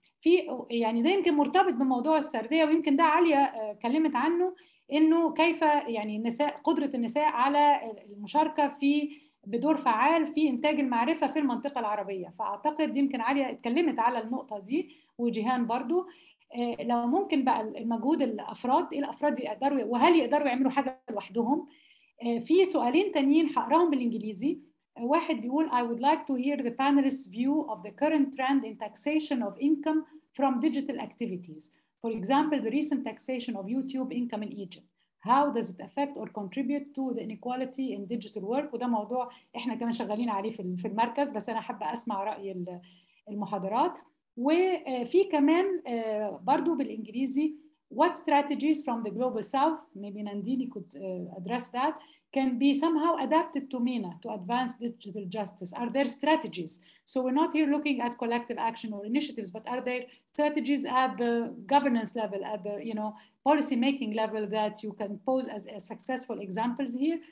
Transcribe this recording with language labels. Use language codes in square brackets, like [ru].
[ar] في يعني ده يمكن مرتبط بموضوع السردية، ويمكن ده عليا كلمت عنه، إنه كيف يعني النساء، قدرة النساء على المشاركة في بدور فعال في إنتاج المعرفة في المنطقة العربية. فأعتقد يمكن عليا اتكلمت على النقطة دي، وجهان برضو لو ممكن بقى المجهود الأفراد، إيه الأفراد يقدروا وهل يقدروا يعملوا حاجة لوحدهم. في سؤالين تانيين هقراهم بالإنجليزي. واحد بيقول [en] I would like to hear the panelists' view of the current trend in taxation of income from digital activities. For example, the recent taxation of YouTube income in Egypt. How does it affect or contribute to the inequality in digital work? [ar] وده موضوع إحنا كنا شغالين عليه في المركز، بس أنا حابة أسمع رأي المحاضرات. وفي كمان برضو بالإنجليزي [en] What strategies from the global south, maybe Nandini could address that, can be somehow adapted to MENA to advance digital justice? Are there strategies? So we're not here looking at collective action or initiatives, but are there strategies at the governance level, at the you know policy making level that you can pose as successful examples here?